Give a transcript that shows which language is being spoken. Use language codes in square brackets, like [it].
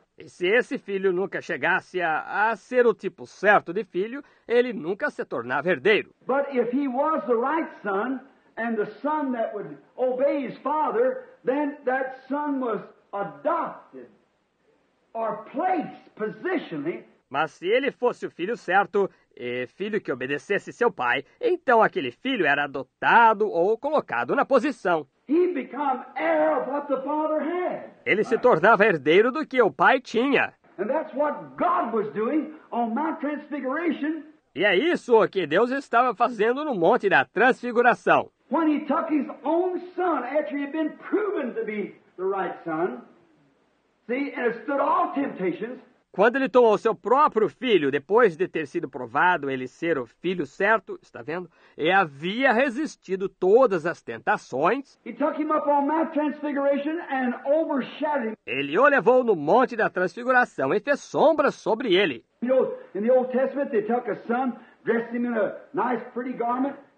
[pt] E se esse filho nunca chegasse a ser o tipo certo de filho, ele nunca se tornava herdeiro. [en] But if he was the right son, and the son that would obey his father, then that son was adopted, or placed positionally. [pt] Mas se ele fosse o filho certo, e filho que obedecesse seu pai, então aquele filho era adotado ou colocado na posição. [en] He became heir of what the father had. [pt] Ele se tornava herdeiro do que o pai tinha. [en] And that's what God was doing on Mount Transfiguration. [pt] E é isso que Deus estava fazendo no Monte da Transfiguração. [en] When he took his own son, after he had been proven to be the right son, see, and it stood all temptations. [pt] Quando ele tomou seu próprio filho, depois de ter sido provado ele ser o filho certo, está vendo? E havia resistido todas as tentações. [en] He took him up on Mount Transfiguration and overshadowed him. [pt] Ele o levou no Monte da Transfiguração e fez sombra sobre ele. [en] You know, in the Old Testament, they took a son, dressed him in a nice, pretty garment.